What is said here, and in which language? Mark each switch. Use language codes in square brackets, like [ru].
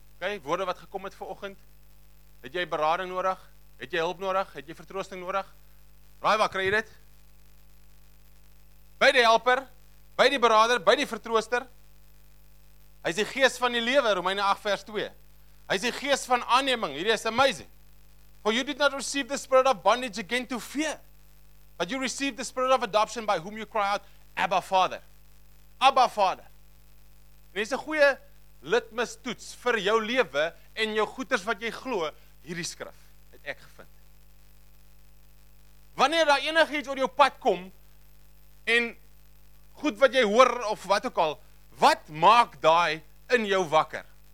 [af] Okay, woorde wat gekom het vanoggend. Het jy berading nodig? Het jy hulp nodig? Het jy vertroosting nodig? Raai waar kry jy dit? By die helper, by die berader, by die vertrooster. Hy is die Gees van die lewe, Romeine 8 vers 2. Hy is die Gees van aanneming. Hierdie is amazing. [en] For you did not receive the spirit of bondage again to fear, but you received the spirit of adoption by whom you cry out, Abba Father. Abba Father. [af] En dit is 'n goeie litmus toets vir jou lewe en jou goeders wat jy glo, hierdie skrif het ek gevind. Wanneer daar enigiets oor jou pad kom en goed wat jy hoor of wat ook al, wat maak daai in jou wakker?